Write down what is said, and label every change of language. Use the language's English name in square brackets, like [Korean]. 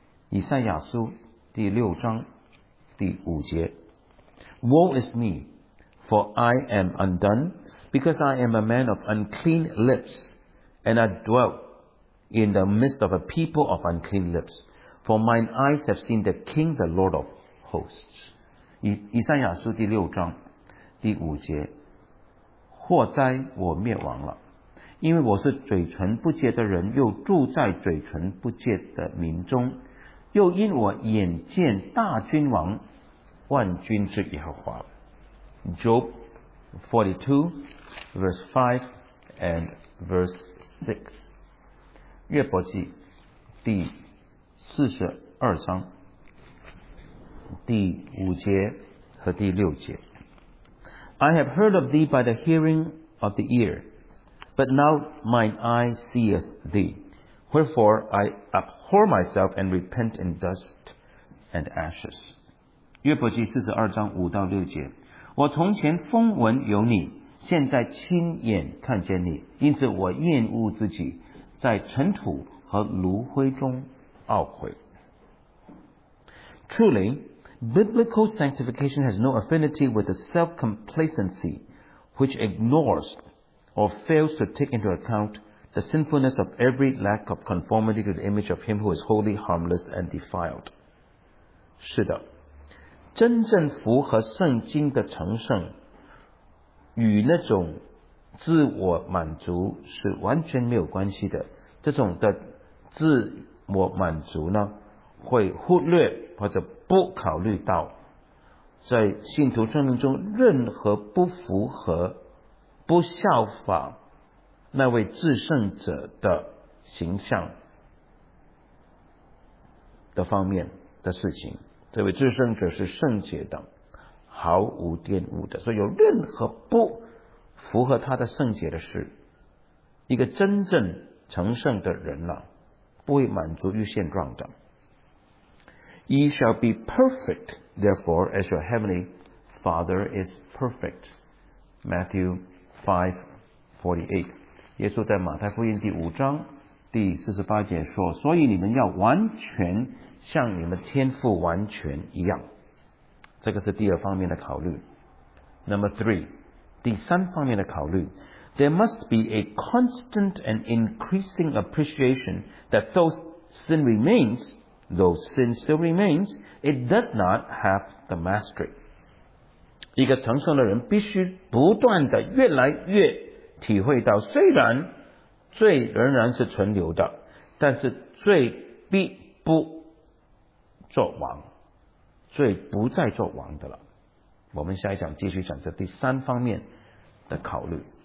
[Chinese] 以赛亚书第六章第五节。 [English] Woe is me, for I am undone, because I am a man of unclean lips, and I dwell in the midst of a people of unclean lips, for mine eyes have seen the King, the Lord of hosts. [Chinese] 以赛亚书第六章第五节，祸灾我灭亡了，因为我是嘴唇不洁的人，又住在嘴唇不洁的民中，又因我眼见大君王万军之耶和华。 [English] Job 42 verse 5 and verse 6， [Chinese] 约伯记第四十二章第五节和第六节。 [English] I have heard of thee by the hearing of the ear, but now mine eye seeth thee. Wherefore I abhor myself and repent in dust and ashes. [Chinese] 约伯记四十二章五到六节，我从前风闻有你，现在亲眼看见你，因此我厌恶自己，在尘土和炉灰中懊悔。 [English] Truly, biblical sanctification has no affinity with the self-complacency which ignores or fails to take into account the sinfulness of every lack of conformity to the image of him who is holy, harmless, and defiled. [Chinese] 是的，真正符合圣经的成圣与那种自我满足是完全没有关系的。这种的自我满足呢，会忽略或者不考虑到在信徒生命中任何不符合、不效法那位至圣者的形象的方面的事情。这位至圣者是圣洁的，毫无玷污的，所以有任何不符合他的圣洁的事，一个真正成圣的人呢、不会满足于现状的。 [English] Ye shall be perfect therefore as your heavenly Father is perfect. Matthew 5:48。 [Chinese] 耶稣在马太福音第五章第四十八节说，所以你们要完全像你们天父完全一样。这个是第二方面的考虑。 [English] Number three, [Chinese] 第三方面的考虑， [English] There must be a constant and increasing appreciation that though sin remains, though sin still remains, it does not have the mastery. [Chinese] 一个成圣的人必须不断的越来越体会到，虽然罪仍然是存留的，但是罪必不作王，罪不再作王的了。我们下一讲继续讲这第三方面的考虑。